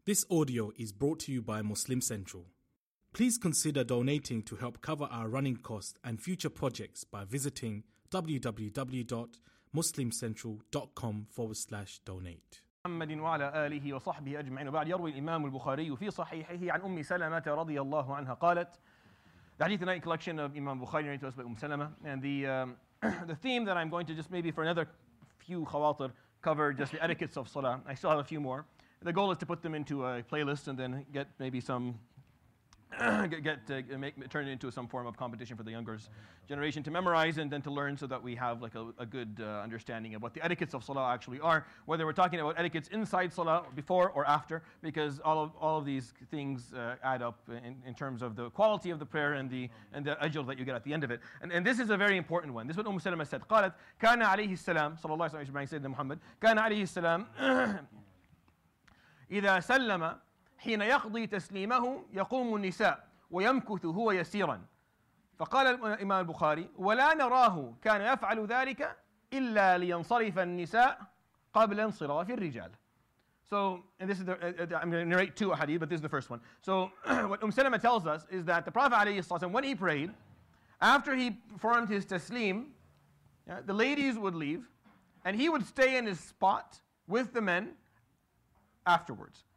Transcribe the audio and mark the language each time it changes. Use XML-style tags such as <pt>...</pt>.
<en>This audio is brought to you by Muslim Central. Please consider donating to help cover our running costs and future projects by visiting www.muslimcentral.com/donate.</en> <ar>محمد وعلى آله وصحبه أجمعين. وبعد يروي الإمام البخاري في صحيحه عن أم سلمة رضي الله عنها قالت.</ar> <en>The hadith tonight, collection of Imam Bukhari narrated to us by Umm Salama. And the theme that I'm going to just maybe for another few khawatir cover just the etiquettes of salah. I still have a few more. The goal is to put them into a playlist and then get maybe some turn it into some form of competition for the younger generation to memorize and then to learn, so that we have like a good understanding of what the etiquettes of salah actually are. Whether we're talking about etiquettes inside salah, before or after, because all of these things add up in terms of the quality of the prayer and the ajr that you get at the end of it. And this is a very important one. This is what Umm Salama said.</en> <ar>قالت كان عليه السلام صلى الله عليه وسلم سيدنا محمد كان عليه السلام إذا سلم حين يقضي تسليمه يقوم النساء ويمكث هو يسيرا. فقال الإمام البخاري ولا نراه كان يفعل ذلك إلا لينصرف النساء قبل انصراف الرجال.</ar> <en>So, and this is I'm going to narrate two hadith, but this is the first one. So, what Umm Salama tells us is that the Prophet</en> <ar>عليه الصلاة والسلام,</ar> <en>when he prayed, after he performed his taslim, yeah, the ladies would leave, and he would stay in his spot with the men afterwards.</en>